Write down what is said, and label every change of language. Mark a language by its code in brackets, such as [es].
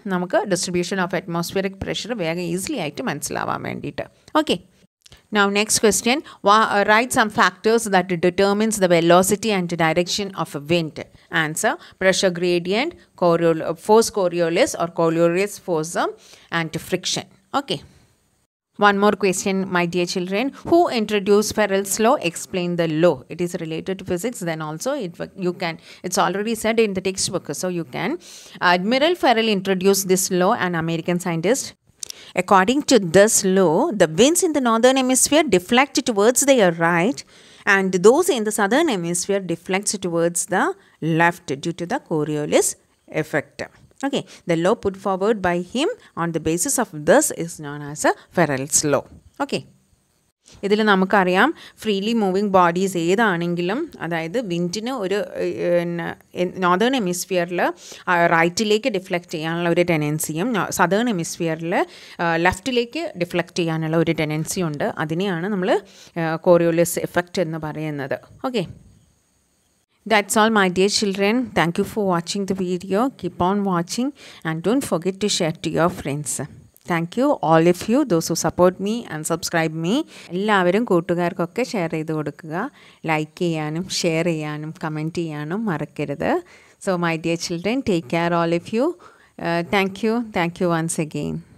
[ml] നമുക്ക് distribution of atmospheric pressure വേഗം easily ആയിട്ട് മനസ്സിലാവാൻ വേണ്ടിയിട്ട്. Okay. [en] Now next question. Right some factors that determines the velocity and direction of a wind. Answer: pressure gradient, force Coriolis or Coriolis force and friction. Okay. One more question, my dear children. Who introduced Farrell's law? Explain the law. It is related to physics. Then also, it's already said in the textbook. So you can. Admiral Farrell introduced this law, an American scientist. According to this law, the winds in the northern hemisphere deflect towards their right, and those in the southern hemisphere deflect towards the left due to the Coriolis effect. Okay, the law put forward by him on the basis of this is known as a Farrell's law. Okay. [ml] ഇതിൽ നമുക്കറിയാം freely moving bodies ഏതാണെങ്കിലും, അതായത് വിൻഡിന് ഒരു northern ഹെമിസ്ഫിയറിൽ റൈറ്റിലേക്ക് deflect ചെയ്യാനുള്ള ഒരു ടെൻഡൻസിയും southern ഹെമിസ്ഫിയറിൽ ലെഫ്റ്റിലേക്ക് deflect ചെയ്യാനുള്ള ഒരു ടെൻഡൻസിയും ഉണ്ട്. അതിനെയാണ് നമ്മൾ കോറിയോലിസ് എഫക്റ്റ് എന്ന് പറയുന്നത്. [en] Okay. That's all, my dear children. Thank you for watching the video. Keep on watching and don't forget to share to your friends. Thank you, all of you, those who support me and subscribe me. [ml] എല്ലാവരും കൂട്ടുകാർക്കൊക്കെ share ചെയ്ത് കൊടുക്കുക. Like ചെയ്യാനും share ചെയ്യാനും comment ചെയ്യാനും മറക്കരുത്. [en] So my dear children, take care all of you. Thank you. Thank you once again.